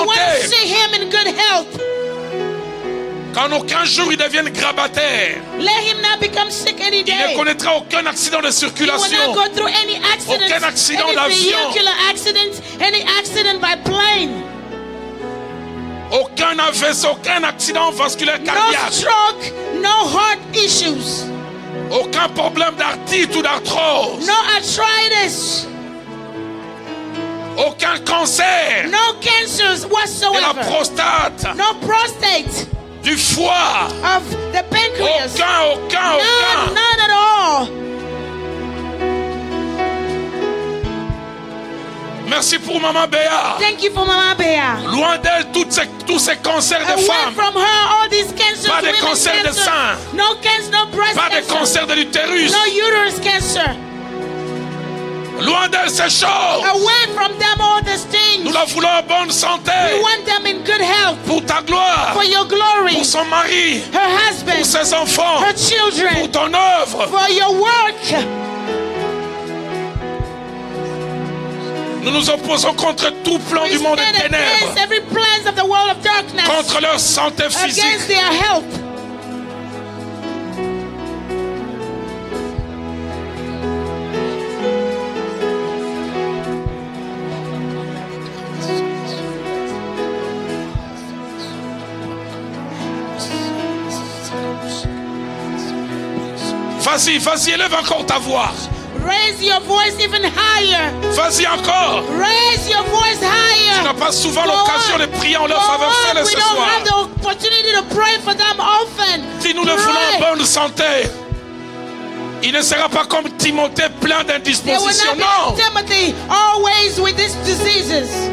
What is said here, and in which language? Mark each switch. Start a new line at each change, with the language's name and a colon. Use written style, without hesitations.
English: We want to see him in good health.
French: Qu'en aucun jour il devienne grabataire.
English: Let him not become sick any day.
French: Il ne connaîtra aucun accident de circulation.
English: He will not go through any accident.
French: Aucun accident d'avion.
English: Any vehicular accident, any accident by plane.
French: Aucun AVC, aucun accident vasculaire cardiaque.
English: No stroke, no heart issues.
French: Aucun problème d'arthrite ou d'arthrose.
English: No arthritis.
French: Aucun cancer.
English: No cancers whatsoever.
French: De la prostate.
English: No prostate.
French: Du foie.
English: Of the pancreas.
French: Aucun.
English: None at all.
French: Merci pour Maman Béa.
English: Thank you for Mama Béa.
French: Loin d'elle tous ces cancers de femmes.
English: From her all these cancers.
French: Pas de cancer de sein.
English: No cancer, no breast
French: cancer. Pas de cancer de l'utérus.
English: No uterus cancer.
French: Loin d'elle ces choses.
English: Away from them all these things.
French: Nous la voulons en bonne santé.
English: We want them in good health.
French: Pour ta gloire.
English: For your glory.
French: Pour son mari.
English: Her husband.
French: Pour ses enfants.
English: Her children.
French: Pour ton œuvre.
English: For your work.
French: Nous nous opposons contre tout plan
English: we
French: du monde des ténèbres.
English: Every plans of the world of darkness.
French: Contre leur santé physique.
English: Against their health.
French: Vas-y, élève encore ta voix.
English: Raise your voice even higher.
French: Vas-y encore.
English: Raise your voice higher.
French: Tu n'as pas souvent
English: go
French: l'occasion
English: on.
French: De prier en leur
English: go
French: faveur seul ce soir.
English: We don't have the opportunity to pray for them often.
French: Si nous
English: pray.
French: Le voulons en bonne santé, il ne sera pas comme Timothée plein d'indisposition.
English: They will not be Timothy always with these diseases.